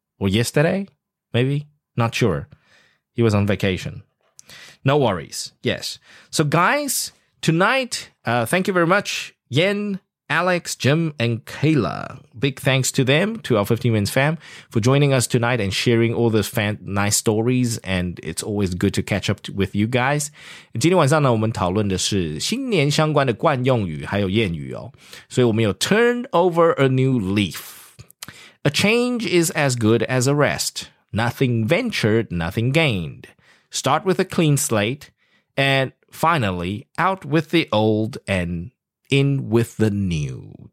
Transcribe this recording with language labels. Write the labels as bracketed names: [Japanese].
[English] Or yesterday, maybe? Not sure. He was on vacation. No worries. Yes. So, guys, tonight, thank you very much, Yen, Alex, Jim, and Kayla. Big thanks to them, to our 15 Minutes fam, for joining us tonight and sharing all those nice stories. And it's always good to catch up with you guys. [Chinese] 今天晚上呢，我们讨论的是新年相关的惯用语还有谚语哦。所以我们有 [English] turn over a new leaf. A change is as good as a rest. Nothing ventured, nothing gained. Start with a clean slate. And finally, out with the old and in with the new.